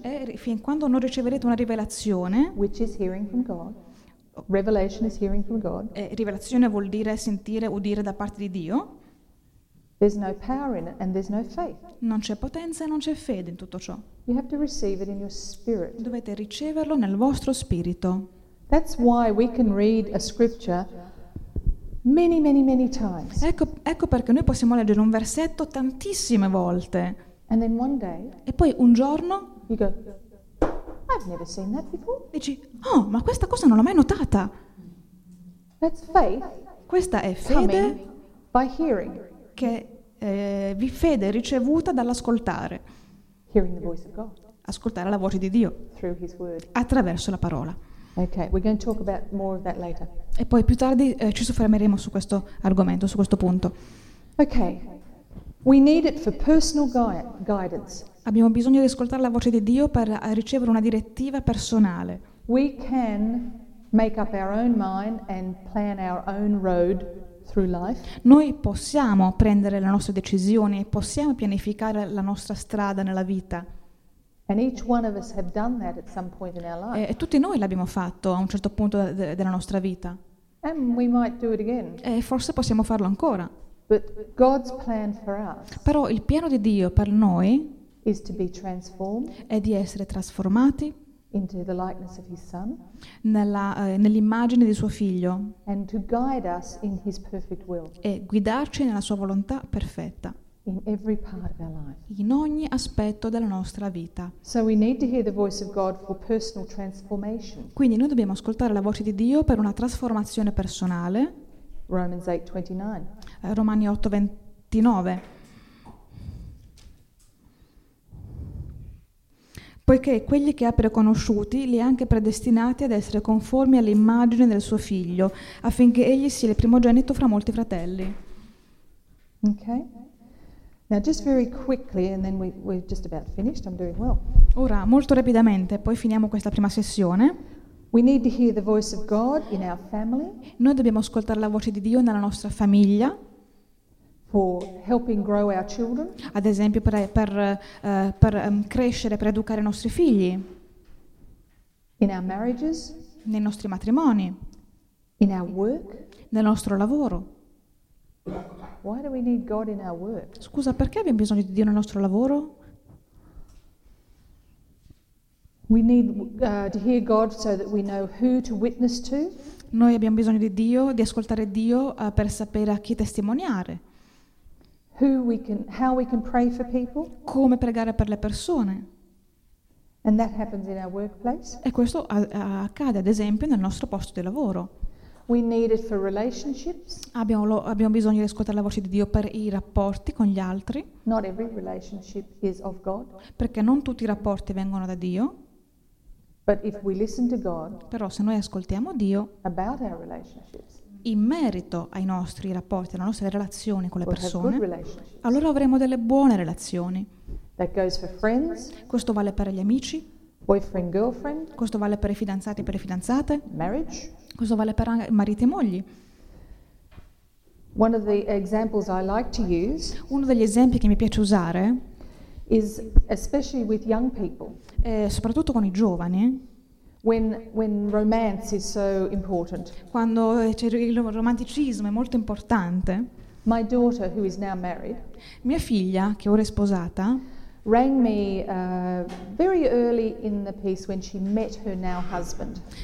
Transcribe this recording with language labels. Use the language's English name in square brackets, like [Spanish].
[Italian] e fin quando non riceverete una rivelazione, [English] which is hearing from God, revelation is hearing from God, [Italian] e rivelazione vuol dire sentire, udire da parte di Dio, [English] there's no power in it and there's no faith. [Italian] Non c'è potenza e non c'è fede in tutto ciò. [English] You have to receive it in your spirit. [Italian] Dovete riceverlo nel vostro spirito. [English] That's why we can read a scripture many, many, many times. [Italian] Ecco perché noi possiamo leggere un versetto tantissime volte. [English] And then one day, [Italian] e poi un giorno [English] you go, I've never seen that before. [Italian] Dici, oh, ma questa cosa non l'ho mai notata. [English] That's faith. [Italian] Questa è fede [English] by hearing. [Italian] Che vi fede ricevuta dall'ascoltare. [English] Hearing the voice of God. [Italian] Ascoltare la voce di Dio. [English] Through his word. [Italian] Attraverso la parola. [English] Okay, we're going to talk about more of that later. [Italian] E poi più tardi ci soffermeremo su questo argomento, su questo punto. [English] Okay. We need it for personal guidance. [Italian] Abbiamo bisogno di ascoltare la voce di Dio per ricevere una direttiva personale. [English] We can make up our own mind and plan our own road through life. [Italian] Noi possiamo prendere le nostre decisioni e possiamo pianificare la nostra strada nella vita. [English] And each one of us have done that at some point in our life. [Italian] E tutti noi l'abbiamo fatto a un certo punto della nostra vita. [English] And we might do it again. [Italian] E forse possiamo farlo ancora. [English] But God's plan for us. [Italian] Però il piano di Dio per noi [English] is to be transformed [Italian] è di essere trasformati [English] into the likeness of his son, [Italian] nell'immagine di suo figlio, [English] and to guide us in his perfect will, [Italian] e guidarci nella sua volontà perfetta [English] in every part of our life, [Italian] in ogni aspetto della nostra vita. [English] So we need to hear the voice of God for personal transformation. [Italian] Quindi noi dobbiamo ascoltare la voce di Dio per una trasformazione personale. [English] Romans 8:29. [Italian] Romani 8:29. Poiché quelli che ha preconosciuti li ha anche predestinati ad essere conformi all'immagine del suo figlio, affinché egli sia il primogenito fra molti fratelli. [English] Okay. Now just very quickly, and then we're just about finished. I'm doing well. [Italian] Ora, molto rapidamente, poi finiamo questa prima sessione. [English] We need to hear the voice of God in our family. [Italian] Noi dobbiamo ascoltare la voce di Dio nella nostra famiglia. [English] For helping grow our children. [Italian] Ad esempio per crescere, per educare i nostri figli. [English] In our marriages. [Italian] Nei nostri matrimoni. [English] In our work. [Italian] Nel nostro lavoro. [English] Why do we need God in our work? [Italian] Scusa, perché abbiamo bisogno di Dio nel nostro lavoro? [English] We need to hear God so that we know who to witness to. [Italian] Noi abbiamo bisogno di Dio, di ascoltare Dio per sapere a chi testimoniare. [English] How we can pray for people. [Italian] Come pregare per le persone. [English] And that happens in our workplace. [Italian] E questo accade, ad esempio, nel nostro posto di lavoro. [English] We need it for relationships. [Italian] Abbiamo bisogno di ascoltare la voce di Dio per i rapporti con gli altri. [English] Not every relationship is of God. [Italian] Perché non tutti i rapporti vengono da Dio. [English] But if we listen to God. [Italian] Però se noi ascoltiamo Dio. [English] About our relationships. [Italian] In merito ai nostri rapporti, alle nostre relazioni con le persone, allora avremo delle buone relazioni. [English] That goes for friends, [Italian] questo vale per gli amici, [English] boyfriend, girlfriend, [Italian] questo vale per i fidanzati e per le fidanzate, [English] marriage, [Italian] questo vale per mariti e mogli. [English] One of the examples I like to use, [Italian] uno degli esempi che mi piace usare [English] is especially with young people, [Italian] è soprattutto con i giovani. [English] When romance is so important. [Italian] Quando c'è il romanticismo è molto importante. [English] My daughter, who is now married, [Italian] mia figlia, che ora è sposata, [English] rang me very early in the piece when she met her now husband.